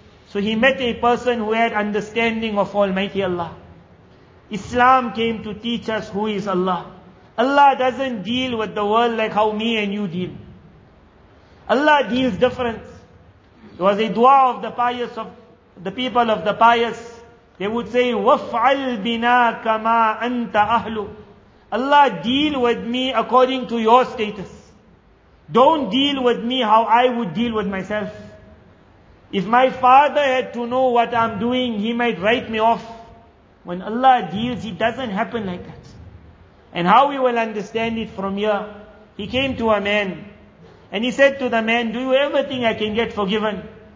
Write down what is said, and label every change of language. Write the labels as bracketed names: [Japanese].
[English] So he met a person who had understanding of Almighty Allah. Islam came to teach us who is Allah. Allah doesn't deal with the world like how me and you deal. Allah deals different. There was a dua of the pious, of the people of the pious. They would say, [Arabic] وَفْعَلْ بِنَا كَمَا أَنْتَ أَهْلُ. [English] Allah, deal with me according to your status. Don't deal with me how I would deal with myself. If my father had to know what I'm doing, he might write me off. When Allah deals, it doesn't happen like that. And how we will understand it from here, he came to a man, and he said to the man, do you ever think I can get forgiven?